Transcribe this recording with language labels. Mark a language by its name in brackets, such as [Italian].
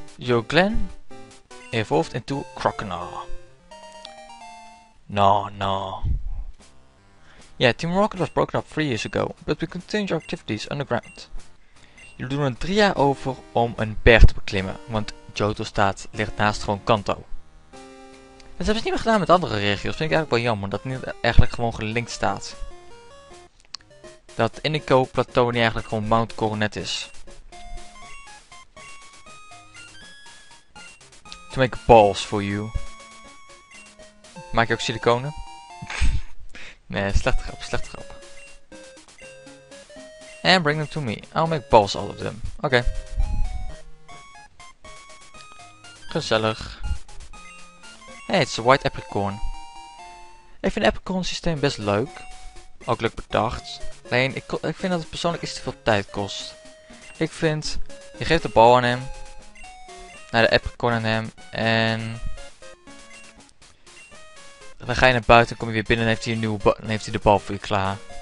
[English] Yo, clan evolved into Croconaw. Yeah, Team Rocket was broken up 3 years ago, but we continued our activities underground. [Dutch] Jullie doen er 3 jaar over om een berg te beklimmen, want Johto staat ligt naast gewoon Kanto. Dat hebben ze niet meer gedaan met andere regio's, vind ik eigenlijk wel jammer dat het niet eigenlijk gewoon gelinkt staat. Dat Indico Plateau niet eigenlijk gewoon Mount Coronet is. [English] To make balls for you. [Dutch] Maak je ook siliconen? Nee, slechte grap. [English] And bring them to me. I'll make balls out of them. Oké. [Dutch] Gezellig. [English] Hey, it's a white apricorn. [Dutch] Ik vind het apricorn systeem best leuk. Ook leuk bedacht. Alleen, ik vind dat het persoonlijk iets te veel tijd kost. Ik vind, je geeft de bal aan hem. Naar de apricorn aan hem. En dan ga je naar buiten, kom je weer binnen en heeft hij de bal voor je klaar.